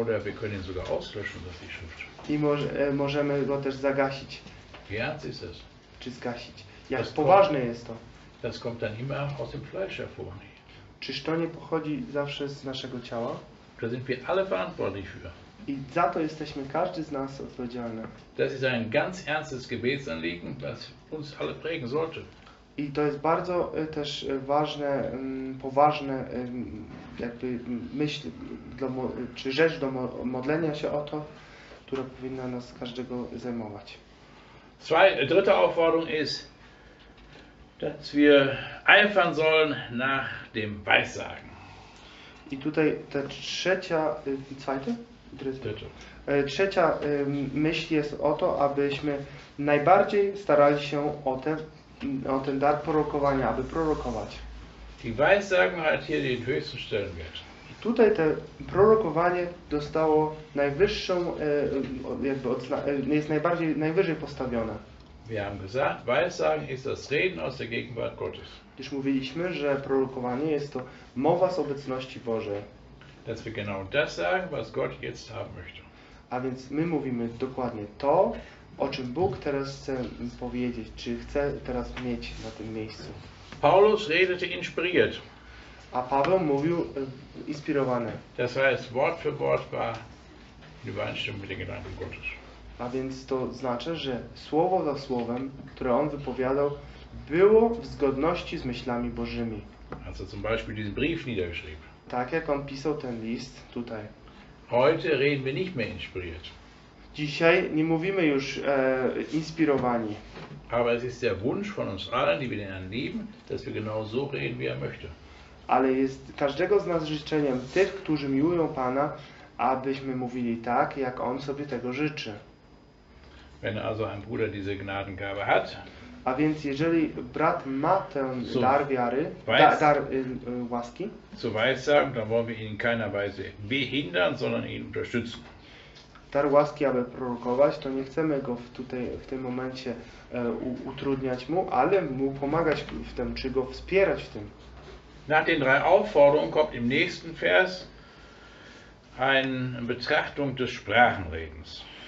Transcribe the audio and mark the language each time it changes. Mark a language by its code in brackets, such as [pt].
[de] Oder wir können ihn sogar auslöschen, das die Schrift. [pl] I możemy go też zagasić. [de] Wie ernst ist es? [pl] Czy zgasić? Jak poważne jest to? [de] Das kommt dann immer aus dem Fleisch hervor. [pl] Czyż to nie pochodzi zawsze z naszego ciała? [de] Da sind wir alle verantwortlich für. [pl] I za to jesteśmy każdy z nas odpowiedzialny. [de] Das ist ein ganz ernstes Gebetsanliegen, das uns alle prägen sollte. [pl] I to jest bardzo też ważne, poważne jakby myśl, czy rzecz do modlenia się o to, która powinna nas każdego zajmować. [de] Dritte Aufforderung ist, dass wir eifern sollen nach dem Weissagen. [pl] I tutaj ta trzecia, [de] zweite? [pl] Dryzgotek. Trzecia myśl jest o to, abyśmy najbardziej starali się o ten dar prorokowania, aby prorokować. [de] Die Weissagung hat hier den höchsten Stellenwert. [pl] Tutaj to prorokowanie dostało najwyższą, jakby jest najbardziej, najwyżej postawione. [de] Wir haben gesagt, Weissagen ist das Reden aus der Gegenwart Gottes. [pl] Już mówiliśmy, że prorokowanie jest to mowa z obecności Bożej. [de] Dass wir genau das sagen, was Gott jetzt haben möchte. [pl] A więc my mówimy dokładnie to, o czym Bóg teraz chce powiedzieć, czy chce teraz mieć na tym miejscu. [de] Paulus redete inspiriert. [pl] A Paweł mówił inspirowany. [de] Das heißt, Wort für Wort war in Übereinstimmung mit den Gedanken Gottes. [pl] A więc to znaczy, że słowo za słowem, które on wypowiadał, było w zgodności z myślami Bożymi. [de] Also zum Beispiel diesen Brief niedergeschrieben. [pl] Tak jak on pisał ten list tutaj. [de] Heute reden wir nicht mehr inspiriert. [pl] Dzisiaj nie mówimy już inspirowani. [de] Aber es ist der Wunsch von uns allen, die wir den Herrn lieben, dass wir genau so reden, wie er möchte. [pl] Ale jest każdego z nas życzeniem, tych, którzy miłują Pana, abyśmy mówili tak, jak On sobie tego życzy. [de] Wenn also ein Bruder diese Gnadengabe hat, [pl] a więc jeżeli brat ma ten [de] zu [pl] dar wiary, łaski, [de] zu Weissagung, dann wollen wir ihn in keiner Weise behindern, sondern ihn unterstützen. [pl] Dar łaski, aby prorokować, to nie chcemy go tutaj w tym momencie utrudniać mu, ale mu pomagać w tym, czy go wspierać w tym. [de] Nach den drei Aufforderungen kommt im nächsten Vers eine Betrachtung des Sprachenredens.